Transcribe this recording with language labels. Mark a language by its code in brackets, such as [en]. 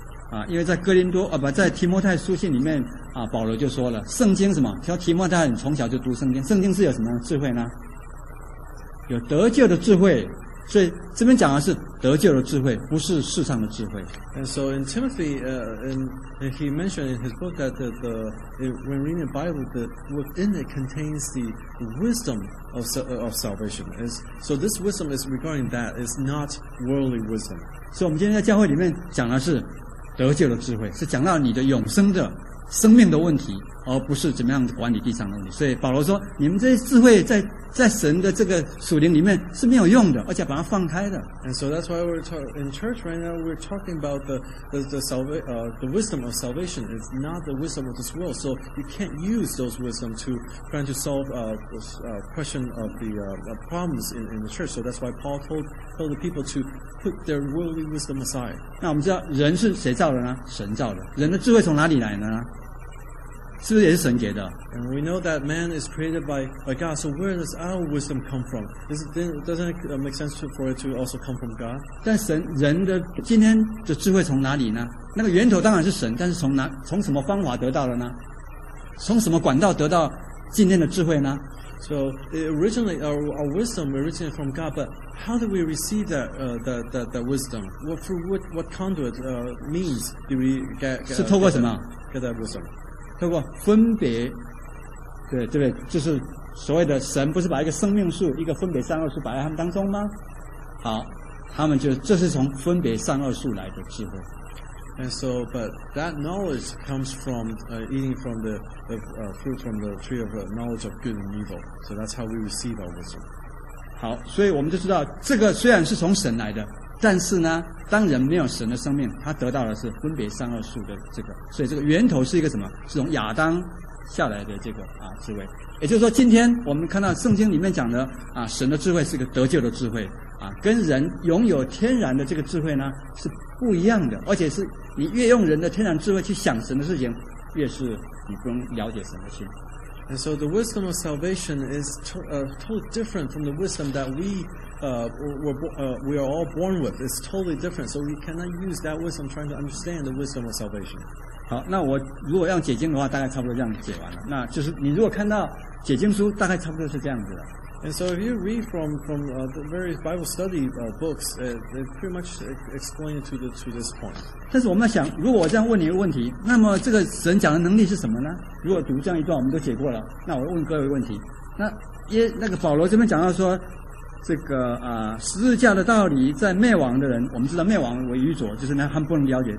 [zh] 啊，因为在哥林多啊，不在提摩太书信里面啊，保罗就说了，圣经什么？说提摩太从小就读圣经，圣经是有什么智慧呢？有得救的智慧。所以这边讲的是得救的智慧，不是世上的智慧。 [en] And so in Timothy, he mentioned in his book that the when reading the Bible, that within it contains the wisdom of salvation. Is so this wisdom is regarding that is not worldly wisdom. [zh] 所以我们今天在教会里面讲的是得救的智慧，是讲到你的永生的生命的问题，而不是怎么样管理地上的问题。所以保罗说，你们这些智慧在神的这个属灵里面是没有用的，而且把它放开的。 [en] And so that's why in church right now we're talking about the wisdom of salvation is not the wisdom of this world. So you can't use those wisdom to try to solve question of the problems in the church. So that's why Paul told the people to put their worldly wisdom aside. [zh] 那我们知道人是谁造的呢？神造的。人的智慧从哪里来呢？是不是也是神给的？ [en] And we know that man is created by God. So where does our wisdom come from? Doesn't it make sense for it to also come from God? [zh] 但神人的今天的智慧从哪里呢？那个源头当然是神，但是从什么方法得到的呢？从什么管道得到今天的智慧呢？ [en] So originally our wisdom originated from God, but how do we receive that wisdom? What conduit means do we get? [zh] 是透过什么 [en] get that wisdom? [zh] 透过分别，对对不对？就是所谓的神，不是把一个生命树、一个分别善恶树摆在他们当中吗？好，他们就这是从分别善恶树来的智慧。 [en] And so, but that knowledge comes from eating from the fruit from the tree of knowledge of good and evil. So that's how we receive our wisdom. [zh] 好，所以我们就知道，这个虽然是从神来的。但是呢，当人没有神的生命，他得到的是分别善恶树的这个，所以这个源头是一个什么？是从亚当下来的这个啊智慧。也就是说，今天我们看到圣经里面讲的啊，神的智慧是一个得救的智慧啊，跟人拥有天然的这个智慧呢是不一样的，而且是你越用人的天然智慧去想神的事情，越是你不用了解神的心。 [en] And so the wisdom of salvation is totally different from the wisdom that we are all born with. It's totally different. So we cannot use that wisdom trying to understand the wisdom of salvation. [zh] 好，那我如果要解经的话，大概差不多这样解完了。那就是你如果看到解经书，大概差不多是这样子的。 [en] And so if you read from the various Bible study books, it pretty much explain it to this point. [zh] 但是我们在想，如果我这样问你一个问题，那么这个神讲的能力是什么呢？如果读这样一段，我们都解过了，那我问各位问题。那个保罗这边讲到说，这个啊十字架的道理在灭亡的人，我们知道灭亡为愚拙，就是那他们不能了解。